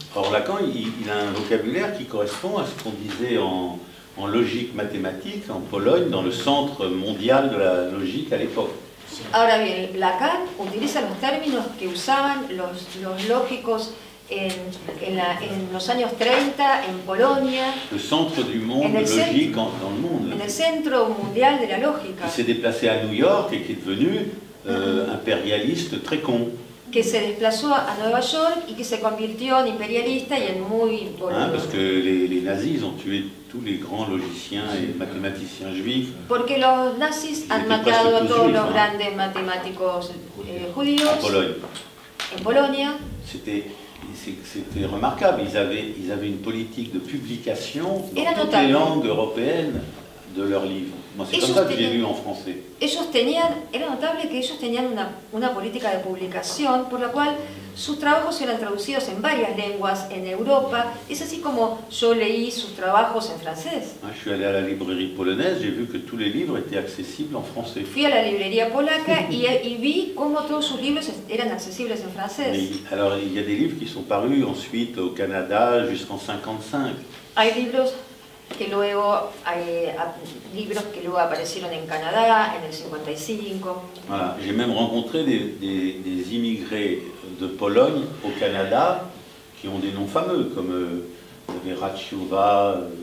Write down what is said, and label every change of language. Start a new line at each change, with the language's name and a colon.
French: Or Lacan, il a un vocabulaire qui correspond à ce qu'on disait en logique mathématique en Pologne, dans le centre mondial de la logique à l'époque.
Spanish: Ahora bien, Lacan utiliza los términos que usaban los lógicos en los años 30 en Polonia.
French: Le centre du monde logique dans le monde.
Spanish: En el centro mundial de la lógica.
French: Qui s'est déplacé à New York et qui est devenu impérialiste très con.
Spanish: Que se desplazó a Nueva York y que se convirtió en imperialista y en muy polémico.
French: Hein, parce que les nazis ont tué tous les grands logiciens et mathématiciens juifs.
Spanish: Porque los nazis han matado a todos los grandes matemáticos judíos. En Polonia. En Polonia.
French: C'était remarquable. Ils avaient une politique de publication dans toutes les langues européennes de leurs livres. Moi, c'est comme ça que j'ai lu en français.
Spanish: Ellos tenían, era notable que ellos tenían una política de publicación por la cual sus trabajos eran traducidos en varias lenguas en Europa. Es así como yo leí sus trabajos en francés.
French: Je suis allé à la librairie polonaise, j'ai vu que tous les livres étaient accessibles en français.
Spanish: Fui a la librería polaca y vi cómo todos sus libros eran accesibles en francés.
French: Mais, alors, il y a des livres qui sont parus ensuite au Canada jusqu'en 55.
Spanish: Hay libros que luego hay libros que luego aparecieron en Canadá en el 55.
French: Voilà. J'ai même rencontré des immigrés de Pologne au Canada qui ont des noms fameux comme Verachova,